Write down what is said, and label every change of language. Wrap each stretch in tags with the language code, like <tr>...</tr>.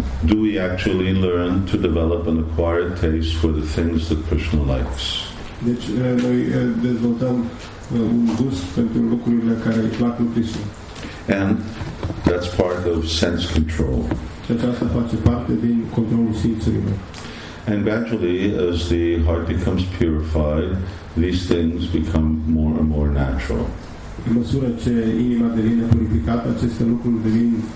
<en>Do we actually learn to develop an acquired taste for the things that Krishna likes?</en> <ro>Deci, noi dezvoltăm un gust pentru lucrurile care îi plac lui Krishna.</ro> <en>And that's part of sense control.</en> <ro>Și aceasta face parte din controlul simțurilor.</ro> <en>And gradually, as the heart becomes purified, these things become more and more natural.</en> <ro>În măsură ce inima devine purificată, aceste lucruri devin</ro>